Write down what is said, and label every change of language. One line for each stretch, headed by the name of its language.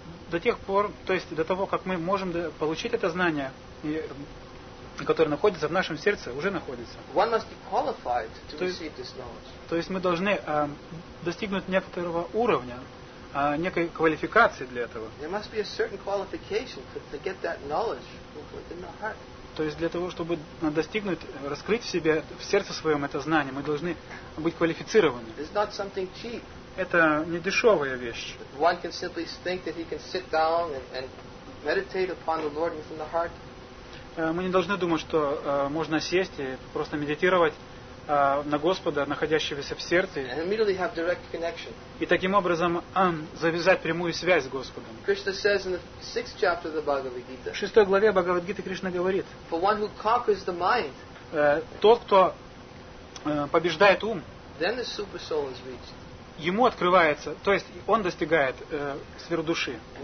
Russian: До тех пор, то есть до того, как мы можем получить это знание, которое находится в нашем сердце, уже находится.
English: One must be qualified to receive this knowledge.
Russian: То есть мы должны достигнуть некоторого уровня, некой квалификации для этого.
English: There must be a certain qualification to get that knowledge within the heart.
Russian: То есть для того, чтобы достигнуть, раскрыть в себе, в сердце своем это знание, мы должны быть квалифицированы.
English: It's not something cheap.
Russian: Это не дешевая вещь.
English: One can simply think that he can sit down and meditate upon the Lord within the heart.
Russian: Мы не должны думать, что можно сесть и просто медитировать на Господа, находящегося в сердце,
English: and immediately have direct connection.
Russian: И таким образом завязать прямую связь с Господом.
English: Krishna says in the sixth chapter of the Bhagavad Gita.
Russian: В 6 главе Бхагавад Гиты Кришна говорит.
English: For one who conquers the mind.
Russian: Тот, кто побеждает ум.
English: Then the super soul is reached.
Russian: Ему открывается, то есть он достигает сферу души.